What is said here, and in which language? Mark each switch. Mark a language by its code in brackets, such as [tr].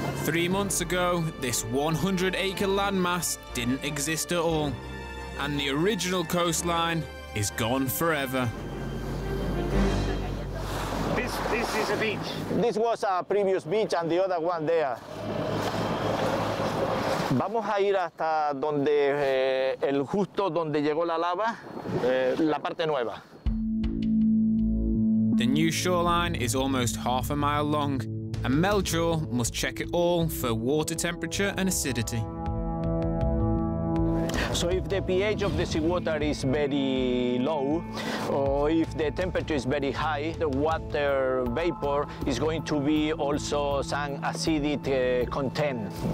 [en] 3 months ago, this 100-acre landmass didn't exist at all, and the original coastline is gone forever. This is a beach. This was a previous beach and the other one there. [es] Vamos a ir hasta donde el justo donde llegó la lava, la parte nueva. [en] The new shoreline is almost half a mile long, and Melchor must check it all for water temperature and acidity. So if the pH of the seawater is very low, or if the temperature is very high, the water vapor is going to be also some acidic content.